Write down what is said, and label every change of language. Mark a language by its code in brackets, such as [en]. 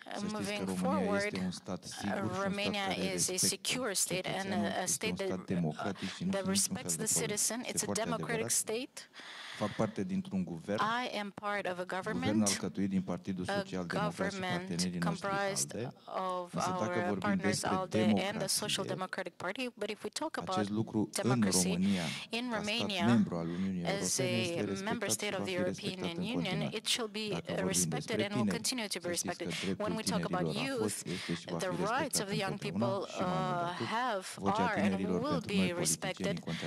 [en] Moving forward, Romania is a secure state and a state that respects the citizen. It's a democratic state. [ro] Fac parte dintr-un guvern. [en] I am part of a government, [ro] alcătuit din Partidul Social Democrat, [en] comprised of our partners ALDE and the Social Democratic Party. But if we talk about democracy in Romania, as a member state of the European Union, it shall be respected and will continue to be respected. When we talk about youth, the rights of the young people are and will be respected.